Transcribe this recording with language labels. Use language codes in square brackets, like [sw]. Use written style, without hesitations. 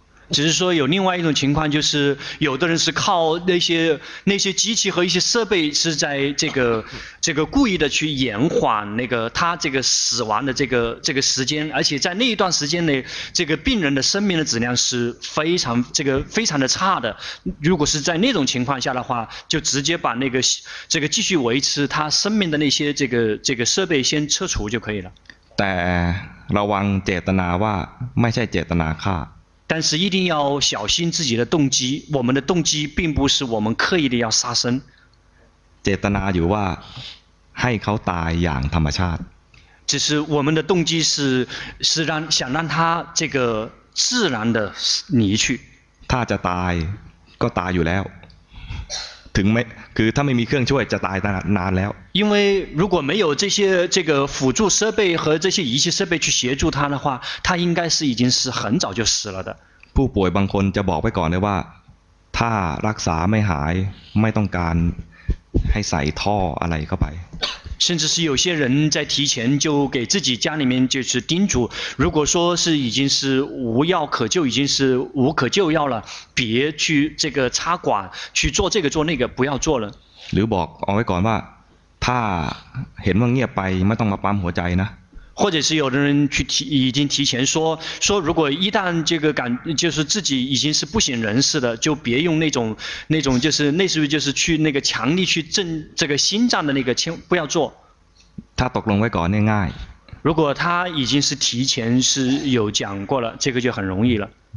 [zh] 只是说有另外一种情况就是有的人是靠那些机器和一些设备是在这个故意的去延缓那个他这个死亡的这个时间而且在那一段时间内这个病人的生命的质量是非常这个非常的差的如果是在那种情况下的话就直接把那个这个继续维持他生命的那些这个设备先撤除就可以了但 [th] ระวังเจตนาว่าไม่ใช่เจตนาฆ่า [zh] 但是一定要小心自己的动机我们的动机并不是我们刻意的要杀生 [th] เจตนาอยู่ว่าให้เขาตายอย่างธรรมชาติ [zh] 只是我们的动机是让想让他这个自然的离去 [th] ถ้าจะตายก็ตายอยู่แล้วถึงไม่คือถ้าไม่มีเครื่องช่วยจะตายนานแล้ว [zh] 因为如果没有这个辅助设备和这些仪器设备去协助他的话他应该是已经是很早就死了的 [th] ผู้ป่วยบางคนจะบอกไปก่อนเลยว่าถ้ารักษาไม่หายไม่ต้องการให้ใส่ท่ออะไรเข้าไป [zh] 甚至是有些人在提前就给自己家里面就是叮嘱如果说是已经是无药可救已经是无可救药了别去这个插管去做这个做那个不要做了 [th] หรือบอกเอาไว้ก่อนว่าถ้าเห็นว่าเงียบไปไม่ต้องมาปั๊มหัวใจนะ [zh] 或者是有的人去已经提前说如果一旦这个感就是自己已经是不省人事的就别用那种就是类似于就是去那个强力去震这个心脏的那个轻不要做他 [th] ตกลงไว้ก่อนง่าย [zh] 如果他已经是提前是有讲过了这个就很容易了